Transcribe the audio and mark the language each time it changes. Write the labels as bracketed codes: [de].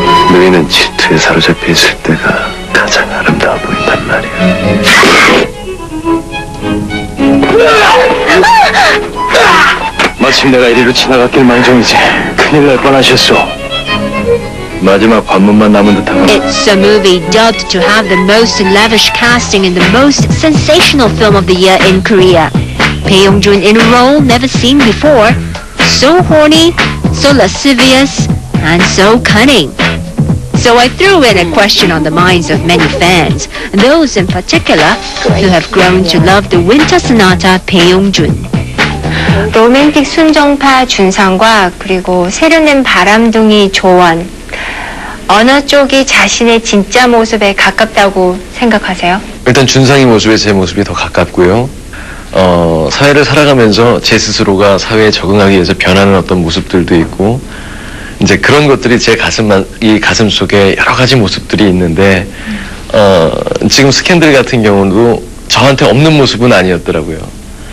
[ko] 너희는 질투에 사로잡혀 있을 때가 가장 아름다워 보인단 말이야. 마침 내가 이리로 지나갔길 망정이지. 큰일 날 뻔하셨소. 마지막 관문만 남은 듯한 건. [en] It's a movie dubbed to have the most lavish casting in the most sensational film of the year in Korea. Bae Young-jun in a role never seen before. So horny, so lascivious, and so cunning. So I threw in a question on the minds of many fans, those in particular who have grown to love the Winter Sonata Bae Young-jun. [ko] 로맨틱 순정파 준상과 그리고 세련된 바람둥이 조원, 어느 쪽이 자신의 진짜 모습에 가깝다고 생각하세요? 일단 준상의 모습에 제 모습이 더 가깝고요. 사회를 살아가면서 제 스스로가 사회에 적응하기 위해서 변하는 어떤 모습들도 있고, 이제 그런 것들이 제 가슴 속에 여러 가지 모습들이 있는데, 지금 스캔들 같은 경우도 저한테 없는 모습은 아니었더라고요.